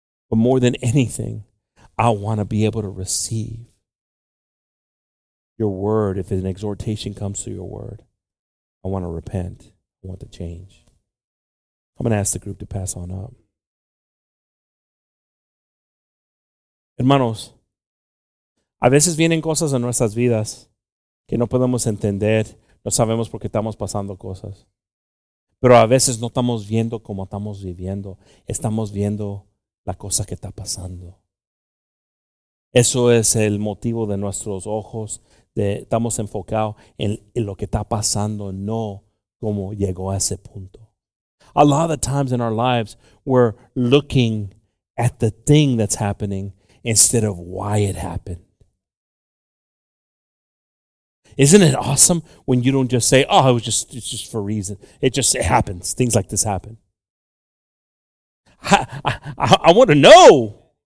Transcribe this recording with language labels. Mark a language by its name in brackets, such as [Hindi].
[English] But more than anything, I want to be able to receive your word. If an exhortation comes through your word, I want to repent. Want to change. I'm going to ask the group to pass on up. [Spanish] Hermanos, a veces vienen cosas en nuestras vidas que no podemos entender, no sabemos por qué estamos pasando cosas. Pero a veces no estamos viendo como estamos viviendo, estamos viendo la cosa que está pasando. Eso es el motivo de nuestros ojos, de estamos enfocados en lo que está pasando, no como llegó a ese punto. [English] A lot of the times in our lives, we're looking at the thing that's happening instead of why it happened. Isn't it awesome when you don't just say, oh, it's just for a reason. It happens. Things like this happen. I want to know.